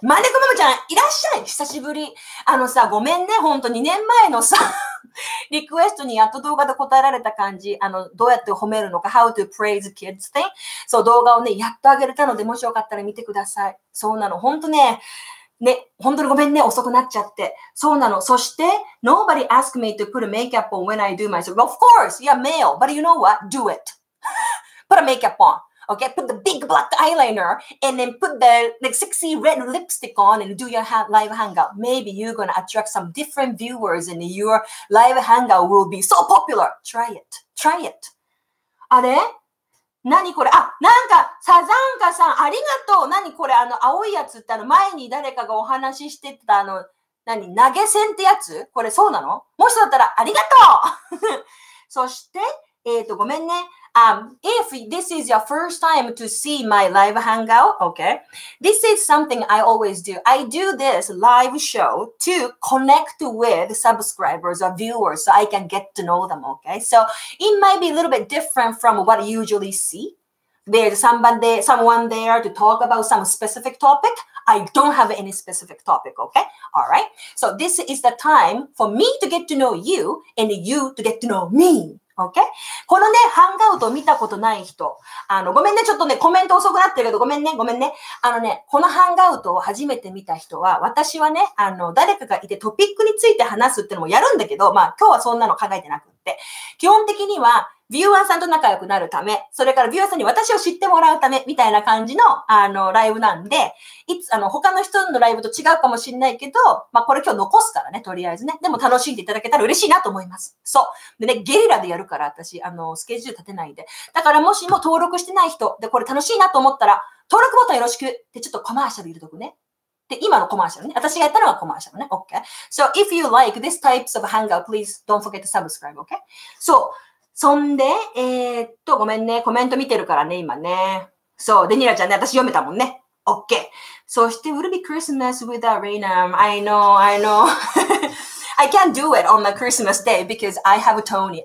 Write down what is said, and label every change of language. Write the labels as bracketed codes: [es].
[ja] マネコママちゃん、いらっしゃい。久しぶり。あのさ、ごめんね。ほんと2年前のさ、リクエストにやっと動画で答えられた感じ。あの、どうやって褒めるのか。 [en] How to praise kids thing。 [ja] そう、動画をね、やっとあげれたので、もしよかったら見てください。そうなの。ほんとね、ね、ほんとにごめんね。遅くなっちゃって。そうなの。 [en] そして、Nobody asked me to put makeup on when I do myself. Of course, you're male. But you know what? Do it. Put a makeup on. Okay, put the big black eyeliner and then put the like sexy red lipstick on and do your live hangout. Maybe you're going to attract some different viewers and your live hangout will be so popular. Try it. Try it. あれ? [ja] 何これ?あ、なんかサザンカさんありがとう。何これ? あの青いやつってあの前に誰かがお話ししてたあの何投げ銭ってやつ?これそうなの? もしだったらありがとう! そして、ごめんね。 [en] If this is your first time to see my live hangout, okay, this is something I always do. I do this live show to connect with subscribers or viewers so I can get to know them, okay? So it might be a little bit different from what you usually see. There's someone there to talk about some specific topic. I don't have any specific topic, okay? All right? So this is the time for me to get to know you and you to get to know me. Okay? [ja] このね、ハンガウトを見たことない人。あの、ごめんね、ちょっとね、コメント遅くなってるけど、ごめんね、ごめんね。あのね、このハンガウトを初めて見た人は、私はね、あの、誰かがいてトピックについて話すってのもやるんだけど、まあ、今日はそんなの考えてなくって。基本的には、ビューアーさんと仲良くなるため、それからビューアーさんに私を知ってもらうため、みたいな感じの、あの、ライブなんで、いつ、あの、他の人のライブと違うかもしれないけど、まあ、これ今日残すからね、とりあえずね。でも楽しんでいただけたら嬉しいなと思います。そう。でね、ゲリラでやるから、私、あの、スケジュール立てないで。だからもしも登録してない人で、これ楽しいなと思ったら、登録ボタンよろしくって、ちょっとコマーシャル入れとくね。で、今のコマーシャルね。私がやったのはコマーシャルね。 [en] OK。 So, if you like this types of hangout, please don't forget to subscribe, OK? [ja] So,そんで、ごめんね。コメント見てるからね、今ね。そう、デニラちゃんね、私読めたもんね。 [en] OK。 そして、Will it be Christmas without rain? I know, I know. I can't do it on the Christmas day because I have Tony.